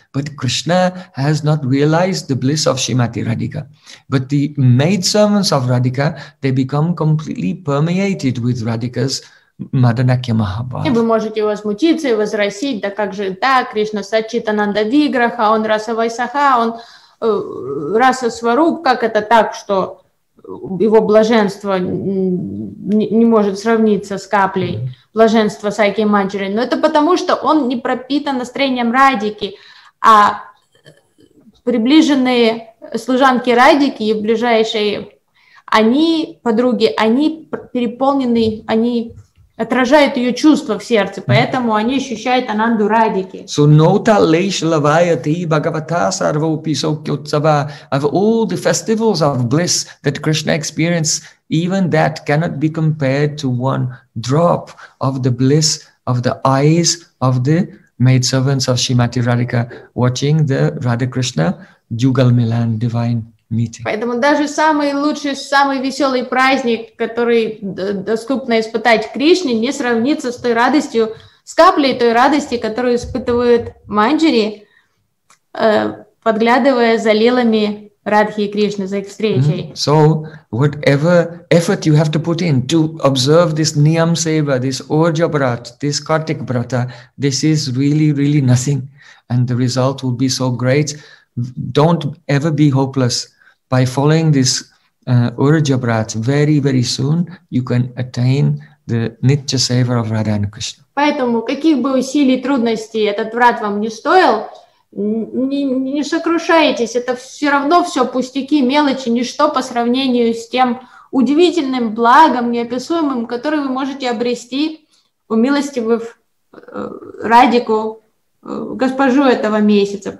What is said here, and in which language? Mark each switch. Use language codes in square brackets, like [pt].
[en] But Krishna has not realized the bliss of Srimati Radhika. But the maidservants of Radhika, they become completely permeated with Radhika's Madanakya Mahabhava. [ru] Вы можете возмутиться и возразить, да как же, да, Кришна Сачитананда Виграха, он Раса Вайсаха, он Раса Сваруп, как это так, что его блаженство не может сравниться с каплей блаженства Сайки Маджари. Но это потому, что он не пропитан настроением Радики, а приближенные служанки Радики и ближайшие, они, подруги, они переполнены, они отражают ее чувства в сердце, поэтому они ощущают ананду Радики. [sa] So nota leish lavayati bhagavata sarvopi saukyotsava. [en] Of all the festivals of bliss that Krishna experienced, even that cannot be compared to one drop of the bliss of the eyes of the maidservants of Srimati Radhika watching the Radha Krishna Jugal Milan divine meeting. [ru] Поэтому даже самый лучший, самый веселый праздник, который доступно испытать Кришне, не сравнится с той радостью, с каплей той радости, которую испытывают манджари, подглядывая за лилами Радхи и Кришны за их встречей. [en] So whatever effort you have to put in to observe this Niyam Seva, this Orjabrat, this Kartik-Vrata, this is really, really nothing. And the result will be so great. Don't ever be hopeless. By following this Orjabrat, very, very soon you can attain the Nitya Seva of Radha and Krishna. [ru] Поэтому каких бы усилий, трудностей этот врат вам не стоил, не сокрушайтесь, это все равно все пустяки, мелочи, ничто по сравнению с тем удивительным благом, неописуемым, который вы можете обрести, умилостивив Радику, госпожу этого месяца.